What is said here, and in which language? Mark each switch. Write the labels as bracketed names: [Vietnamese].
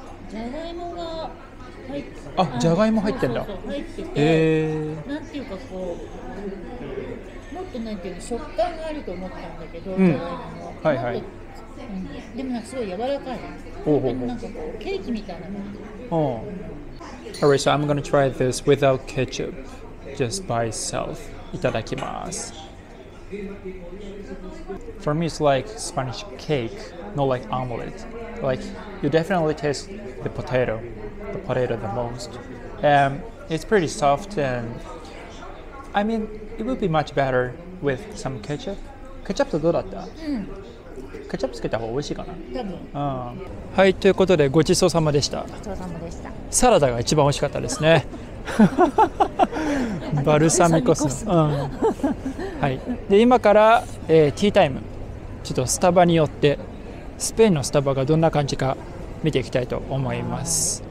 [Japanese] じゃがいもが入ってた。あ、じゃがいも入ってんだ。そうそうそう、入ってて、なんていうかこう、もっとなんていうの、食感があると思ったんだけど、じゃがいもが。はいはい。うん、でもなんかすごい柔らかい。ほうほうほう。でもなんかこうケーキみたいなもの。うん。 [English] All right, so I'm gonna try this without ketchup, just by itself. [Japanese] Itadakimasu. [English] For me, it's like Spanish cake, not like omelet. Like, you definitely taste the potato the most. It's pretty soft, and I mean, it would be much better with some ketchup. [Japanese] Ketchup to dodatta? Ketchup つけた方が美味しいかな。はい、ということでごちそうさまでした。ごちそうさまでした。サラダが一番美味しかったですね。バルサミコ酢、うん、はい。で今から、ティータイム、ちょっとスタバによってスペインのスタバがどんな感じか見ていきたいと思います。